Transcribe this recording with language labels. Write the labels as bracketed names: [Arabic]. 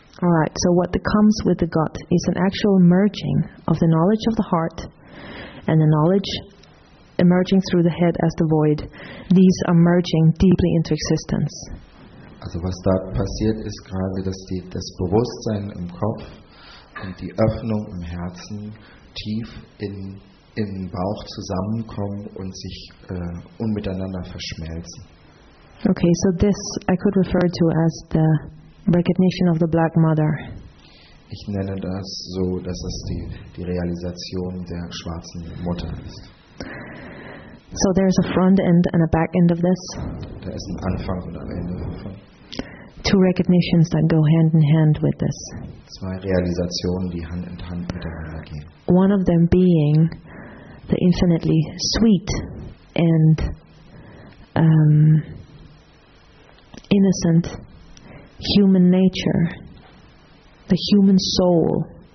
[English] All right, so what comes with the gut is an actual merging of the knowledge of the heart and the knowledge emerging through the head as the void. These are merging deeply into existence. [German] Also was da passiert ist gerade, dass das Bewusstsein im Kopf und die Öffnung im Herzen tief im Bauch zusammenkommen und sich miteinander verschmelzen. [English] Okay, so this I could refer to as the recognition of the Black Mother. [German] Ich nenne das so, dass es die Realisation der schwarzen Mutter ist. [English] So there's a front end and a back end of this. [German] Da ist ein Anfang und ein Ende davon. [English] Two recognitions that go hand in hand with this. [German] Zwei Realisationen, die Hand in Hand miteinander gehen. [English] One of them being the infinitely sweet and innocent human nature, the human soul.